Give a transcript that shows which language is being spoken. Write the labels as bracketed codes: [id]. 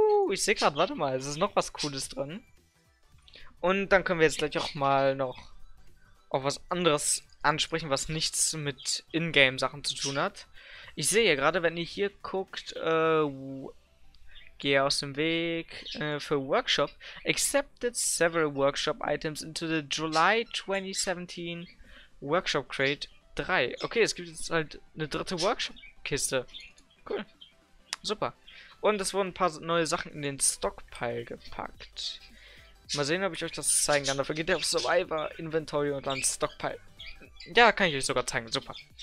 [de] Ich sehe gerade, warte mal, es ist noch was Cooles drin. Und dann können wir jetzt gleich auch mal noch auf was anderes ansprechen, was nichts mit Ingame-Sachen zu tun hat. Ich sehe ja gerade, wenn ihr hier guckt, gehe aus dem Weg für Workshop. [en] Accepted several workshop items into the July 2017 Workshop Crate 3. [de] Okay, es gibt jetzt halt eine dritte Workshop-Kiste. Cool. Super. Und es wurden ein paar neue Sachen in den Stockpile gepackt. Mal sehen, ob ich euch das zeigen kann. Dafür geht ihr auf Survivor, Inventory und dann Stockpile. Ja, kann ich euch sogar zeigen. Super.